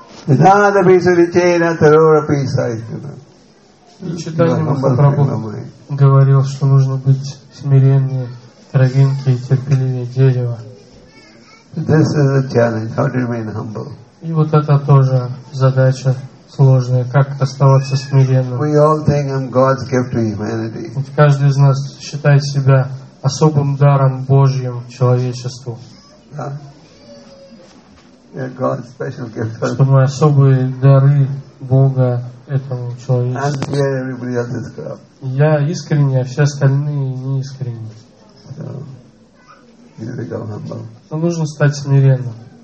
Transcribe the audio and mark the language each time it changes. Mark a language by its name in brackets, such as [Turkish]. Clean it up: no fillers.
[English] Another piece of the chain, another piece of the chain. [Russian] Говорил, что нужно быть смиреннее травинки и терпеливее дерева. [English] This is a challenge. How to remain humble? [Russian] И вот это тоже задача сложная. Как оставаться смиренным? [English] We all think I'm God's gift to humanity. [Russian] Каждый из нас считает себя особым даром Божьим человечеству. Что мы особые дары Бога этому человечеству. Я искренний, а все остальные неискренние. Но нужно стать смиренным.